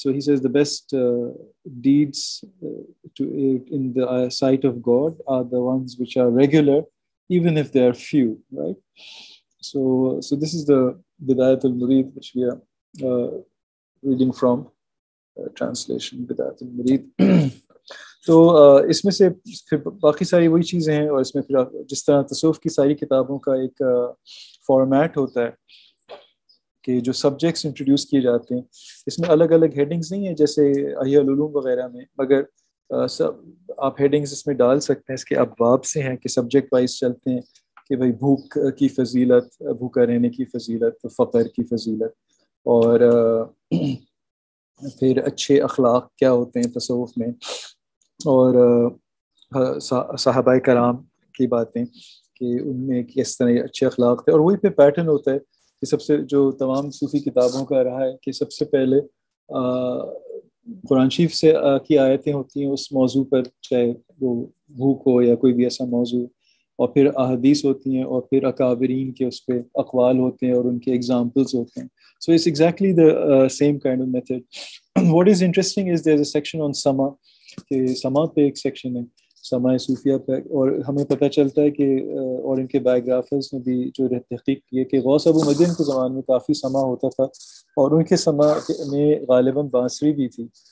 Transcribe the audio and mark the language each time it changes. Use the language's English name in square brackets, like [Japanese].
[English] So he says the best deeds to in the sight of God are the ones which are regular even if they are few, right? So this is the bidayat al-murid which we are reading from translation bidayat al-murid. [Urdu] تو اس میں سے پھر باقی ساری وہی چیزیں ہیں, اور اس میں پھر جس طرح تصوف کی ساری کتابوں کا ایک فارمیٹ ہوتا ہے کہ جو سبجیکٹس انٹروڈیوس کیے جاتے ہیں, اس میں الگ الگ ہیڈنگز نہیں ہیں جیسے احیاء العلوم وغیرہ میں, مگر سب آپ ہیڈنگز اس میں ڈال سکتے ہیں, اس کے ابواب سے ہیں کہ سبجیکٹ وائز چلتے ہیں کہ بھائی بھوک کی فضیلت, بھوکا رہنے کی فضیلت, فقر کی فضیلت, اور پھر اچھے اخلاق کیا ہوتے ہیں تصوف میں, اور صحابہ کرام کی باتیں کہ ان میں کس طرح اچھے اخلاق تھے, اور وہی پہ پیٹرن ہوتا ہے کہ سب سے جو تمام صوفی کتابوں کا رہا ہے کہ سب سے پہلے قرآن شریف سے کی آیتیں ہوتی ہیں اس موضوع پر, چاہے وہ بھوک ہو یا کوئی بھی ایسا موضوع, اور پھر احادیث ہوتی ہیں, اور پھر اکابرین کے اس پہ اقوال ہوتے ہیں اور ان کے ایگزامپلز ہوتے ہیں. [English] So it's exactly the same kind of method. What is interesting is there is a section on سما, [Urdu] کہ سما پہ ایک سیکشن ہے سما صوفیہ پہ, اور ہمیں پتہ چلتا ہے کہ اور ان کے بایوگرافرز نے بھی جو تحقیق کی ہے کہ غوث ابو مدین کے زمانے میں کافی سما ہوتا تھا, اور ان کے سما میں غالباً بانسری بھی تھی,